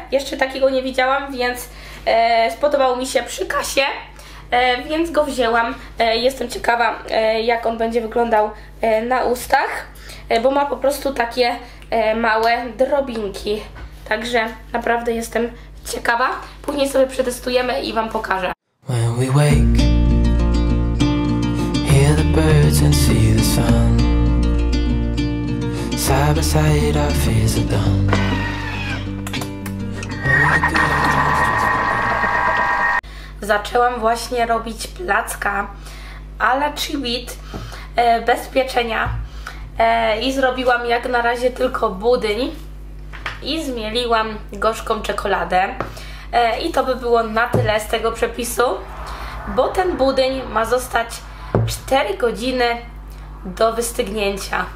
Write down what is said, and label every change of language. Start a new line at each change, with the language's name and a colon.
Polish: Jeszcze takiego nie widziałam, więc spodobał mi się przy kasie, więc go wzięłam. Jestem ciekawa, jak on będzie wyglądał na ustach, bo ma po prostu takie małe drobinki. Także naprawdę jestem ciekawa. Później sobie przetestujemy i wam pokażę.
English: When we wake, hear the birds and see the sun. Side by side, our fears are done. All the good times just gone.
Polish: Zaczęłam właśnie robić placka a la Chibit bez pieczenia i zrobiłam jak na razie tylko budyń i zmieliłam gorzką czekoladę i to by było na tyle z tego przepisu, bo ten budyń ma zostać 4 godziny do wystygnięcia.